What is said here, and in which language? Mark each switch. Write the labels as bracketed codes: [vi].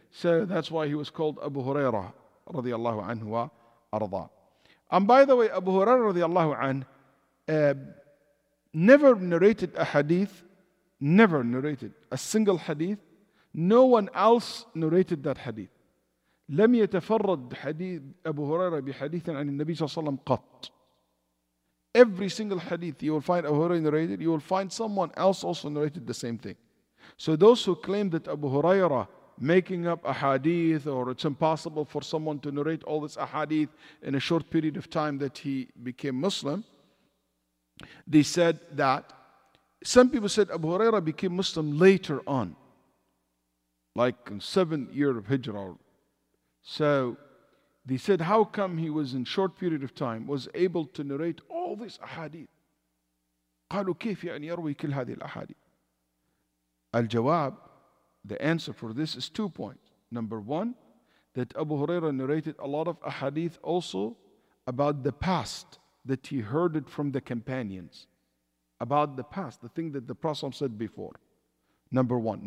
[en] So that's why he was called Abu Huraira radiallahu anhu wa arda. And by the way, Abu Huraira radiallahu anhu never narrated a hadith, never narrated a single hadith. No one else narrated that hadith. [ar] لم يتفرد حديث أبو هريرة بحديث عن النبي صلى الله عليه وسلم قط. [en] Every single hadith you will find Abu Huraira narrated, you will find someone else also narrated the same thing. So those who claim that Abu Huraira making up a hadith, or it's impossible for someone to narrate all this ahadith in a short period of time that he became Muslim, they said that some people said Abu Huraira became Muslim later on, like in 7 years of Hijrah. So they said, how come he was in short period of time was able to narrate all this ahadith? [ar] قالوا كيف يعني يروي كل هذه الأحاديث. الجواب, [en] the answer for this is 2 points. Number one, that Abu Huraira narrated a lot of ahadith also about the past, that he heard it from the companions. About the past, the thing that the Prophet said before. Number one.